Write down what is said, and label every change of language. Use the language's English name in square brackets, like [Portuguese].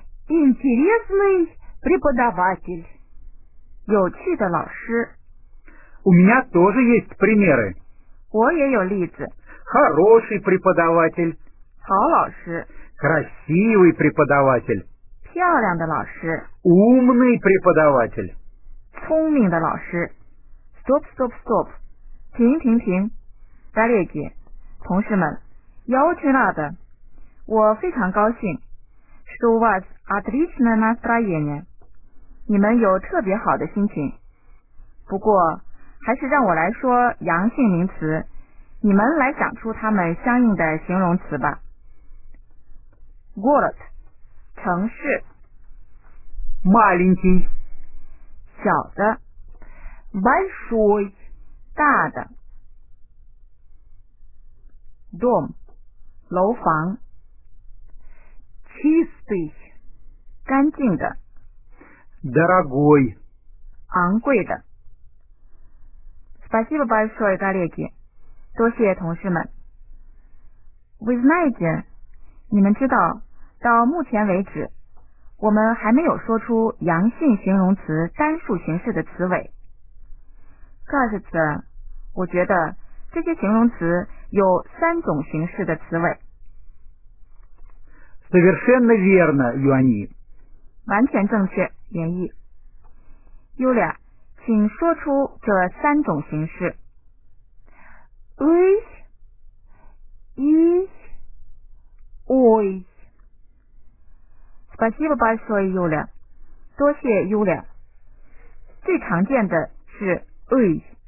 [Russian] Интересный преподаватель. [Chinese] 有趣的老师. [Russian] У меня тоже есть примеры. [Chinese] 我也有例子. [Russian] Хороший преподаватель. [Chinese] 好老师. [Russian] Красивый преподаватель. [Chinese] 漂亮的老师, [Russian] умный преподаватель, [Chinese] 聪明的老师, [Russian] стоп, стоп, стоп, [Chinese] 停停停, [Russian] коллеги, [Chinese] 同事们, [Russian] я очень рада, [Chinese] 我非常高兴, [Russian] что у вас отличное настроение, [Chinese] 你们有特别好的心情, 不过, 还是让我来说阳性名词, 你们来讲出它们相应的形容词吧, город, 城市, [Russian] маленький, [Chinese] 小的, [Russian] большой, [Chinese] 大的, дом, 楼房, [Russian] чистый, [Chinese] 干净的, [Russian] дорогой, [Chinese] 昂贵的. [Russian] Спасибо большое, коллеги, [Chinese] 多谢同事们. [Russian] Вы знаете, [Chinese] 你们知道, 到目前为止, 我们还没有说出阳性形容词单数形式的词尾。 [Russian] Кажется, [Chinese] 我觉得这些形容词有三种形式的词尾。 [Russian] Совершенно верно, Юань И. [Chinese] 完全正确, Юань И. Юля, 请说出这三种形式。 [Russian] Ich, ich, ой. Спасибо большое, Юля. [Chinese] 多谢, Юля. 最常见的是 ой.